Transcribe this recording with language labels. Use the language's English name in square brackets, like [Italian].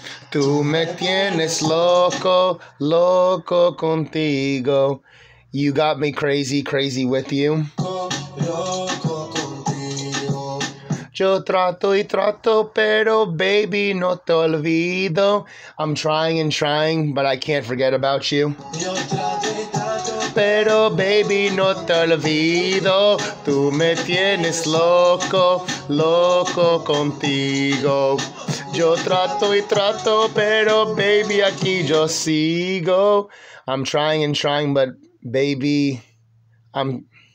[Spanish] Tú me tienes loco, loco contigo. [English] You got me crazy, crazy with you. [Spanish] Yo trato y trato, pero baby, no te olvido. [English] I'm trying and trying, but I can't forget about you. [Spanish] Yo trato y trato, pero baby, no te olvido. Tú me tienes loco, loco contigo. Yo trato y trato, pero baby, aquí yo sigo. [English] I'm trying and trying, but baby, I'm...